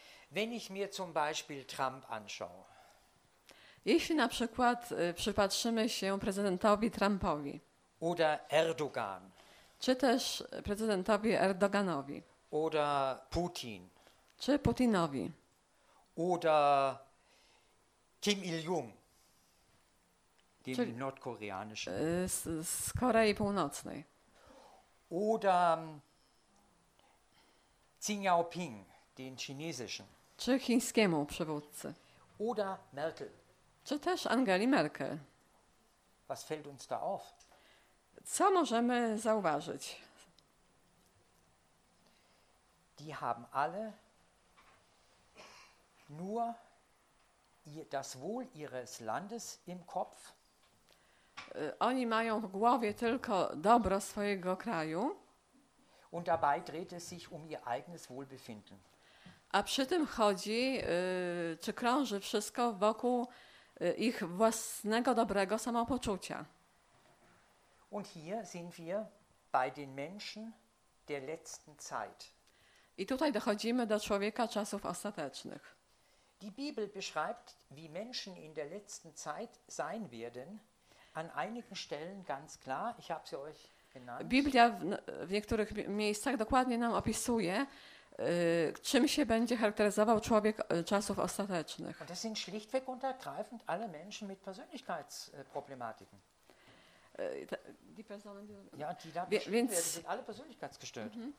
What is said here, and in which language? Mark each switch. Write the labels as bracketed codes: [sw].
[de] Wenn ich mir zum Beispiel Trump anschaue. [pl] Jeśli na przykład przypatrzymy się prezydentowi Trumpowi. [de] Oder Erdogan. [pl] Czy też prezydentowi Erdoganowi. [de] Oder Putin. [pl] Czy Putinowi. [de] Oder Kim Il-jung. Dem czy, nordkoreanischen. [pl] Z Korei Północnej. [de] Oder Xi Jinping, den chinesischen. [pl] Czy chińskiemu przywódcy. [de] Oder Merkel. [pl] Czy też Angeli Merkel. [de] Was fällt uns da auf? [pl] Co możemy zauważyć? [de] Die haben alle nur das Wohl ihres Landes im Kopf. [pl] Oni mają w głowie tylko dobro swojego kraju. [de] Und dabei dreht es sich um ihr eigenes Wohlbefinden. [pl] A przy tym chodzi, czy krąży wszystko wokół ich własnego dobrego samopoczucia. [de] Und hier sind wir bei den Menschen der letzten Zeit. [pl] I tutaj dochodzimy do człowieka czasów ostatecznych. [de] Die Bibel beschreibt, wie Menschen in der letzten Zeit sein werden. An einigen Stellen ganz klar, ich habe sie euch genannt. [pl] Biblia w niektórych miejscach dokładnie nam opisuje, czym się będzie charakteryzował człowiek czasów ostatecznych. [de] Und das sind schlichtweg und ergreifend alle Menschen mit Persönlichkeitsproblematiken. Die Personen, die, ja, die da beschrieben werden, sind alle persönlichkeitsgestört.